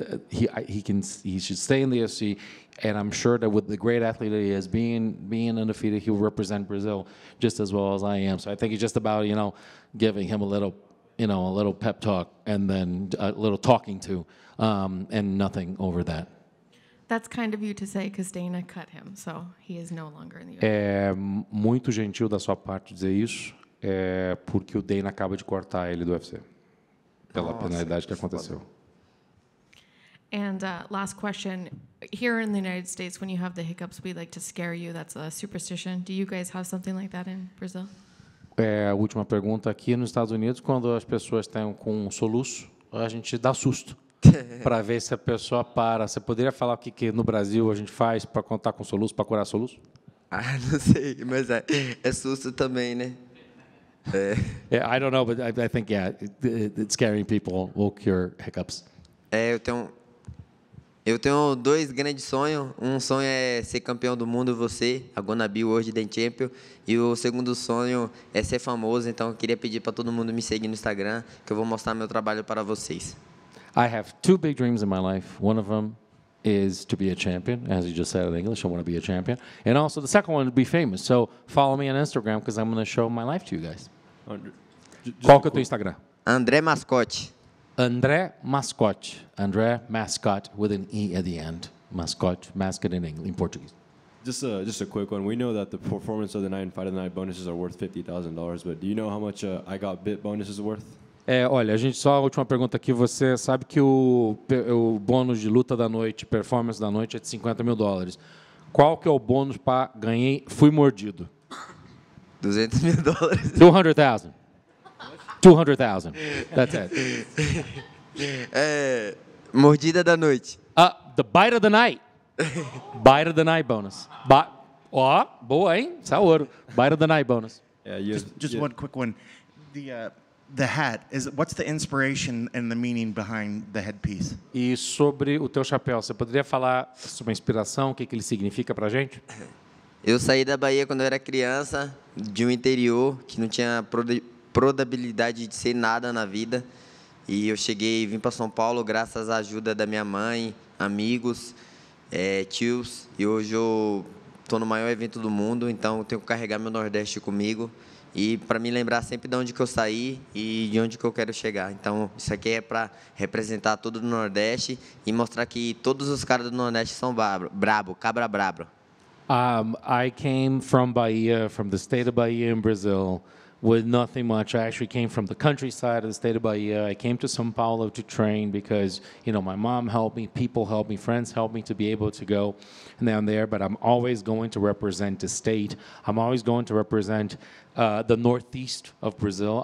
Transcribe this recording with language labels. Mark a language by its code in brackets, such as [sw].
[en] he should stay in the UFC, and I'm sure that with the great athlete that he is, being undefeated, he'll represent Brazil just as well as I am. So I think it's just about, you know, giving him a little, you know, a little pep talk and then a little talking to, and nothing over that. That's kind of you to say, because Dana cut him, so he is no longer in the UFC. [pt] É muito gentil da sua parte dizer isso, é porque o Dana acaba de cortar ele do UFC. Pela penalidade que aconteceu. [en] And last question. Here in the United States, when you have the hiccups, we like to scare you. That's a superstition. Do you guys have something like that in Brazil? [pt] É, a última pergunta aqui. Nos Estados Unidos, quando as pessoas têm com um soluço, a gente dá susto para ver se a pessoa para. Você poderia falar o que, que no Brasil a gente faz para contar com soluço, para curar soluço? Ah, não sei, mas é susto também, né? [en] Yeah, I don't know, but I think, yeah, it's scaring people will cure hiccups. [pt] Eu tenho dois grandes sonhos. Um sonho é ser campeão do mundo, você, a Gonabi World Dance Champion. E o segundo sonho é ser famoso. Então, eu queria pedir para todo mundo me seguir no Instagram, que eu vou mostrar meu trabalho para vocês. [en] I have two big dreams in my life. One of them is to be a champion, as you just said in English, I want to be a champion. And also the second one, to be famous. So follow me on Instagram, because I'm going to show my life to you guys. [pt] Qual que é o teu Instagram? André Mascote. André Mascote. [en] André Mascote, with an E at the end. Mascote, mascot in English, in Portuguese. Just a quick one. We know that the performance of the night and fight of the night bonuses are worth $50,000, but do you know how much I Got Bit bonus is worth? [pt] Olha, a gente só a última pergunta aqui. Você sabe que o bônus de luta da noite, performance da noite, é de $50,000. Qual que é o bônus para ganhei, fui mordido? $200,000. [en] $200,000. That's it. [pt] Mordida da noite. [en] The bite of the night. Bite of the night bonus. [pt] Boa, hein? Saúde. [en] Bite of the night bonus. Yeah, just one quick one. The hat is. What's the inspiration and the meaning behind the headpiece? [pt] E sobre o teu chapéu, você poderia falar sobre a inspiração, o que ele significa para gente? Eu saí da Bahia quando eu era criança, de um interior que não tinha probabilidade de ser nada na vida, e eu cheguei e vim para São Paulo graças à ajuda da minha mãe, amigos, tios, e hoje eu tô no maior evento do mundo, então eu tenho que carregar meu Nordeste comigo. E para me lembrar sempre de onde que eu saí e de onde que eu quero chegar. Então, isso aqui é para representar todo o Nordeste e mostrar que todos os caras do Nordeste são brabo, cabra brabo. [en] I came from Bahia, from the state of Bahia in Brazil, with nothing much. I actually came from the countryside of the state of Bahia. I came to São Paulo to train because, you know, my mom helped me, people helped me, friends helped me to be able to go down there. But I'm always going to represent the state. I'm always going to represent the northeast of Brazil.